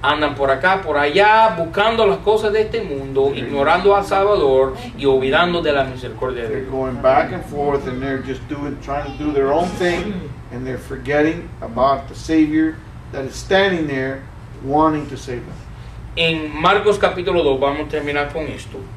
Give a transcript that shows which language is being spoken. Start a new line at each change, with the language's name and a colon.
Spanish: Andan por acá, por allá, buscando las cosas de este mundo,
English: they're
Spanish: ignorando al Salvador y olvidando de la misericordia de Dios.
English: They're going back and forth and they're just trying to do their own thing and they're forgetting about the Savior that is standing there wanting to save them.
Spanish: En Marcos capítulo 2, vamos a terminar con esto.